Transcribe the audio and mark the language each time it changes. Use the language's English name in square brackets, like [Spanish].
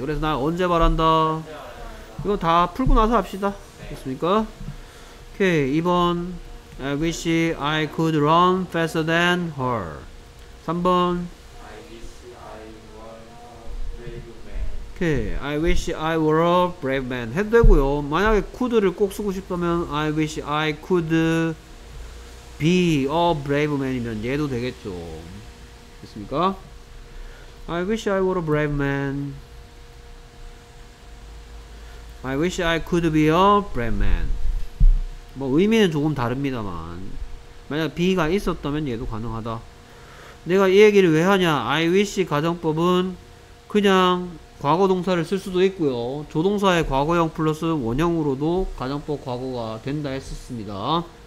[Korean] 그래서 나 언제 바란다 이거 다 풀고 나서 합시다. 됐습니까? 오케이. [English] 2번 I wish I could run faster than her. [Korean] 3번 [English] I wish I were a brave man. I wish I were a brave man [Korean] 해도 되고요. 만약에 could를 꼭 쓰고 싶다면 [English] I wish I could be a brave man이면 [Korean] 얘도 되겠죠. 됐습니까? [English] I wish I were a brave man. I wish I could be a brave man. [Korean] 뭐 의미는 조금 다릅니다만 만약 B가 있었다면 얘도 가능하다. 내가 이 얘기를 왜 하냐. [English] I wish [Korean] 가정법은 그냥 과거동사를 쓸 수도 있고요 조동사의 과거형 플러스 원형으로도 가정법 과거가 된다 했었습니다.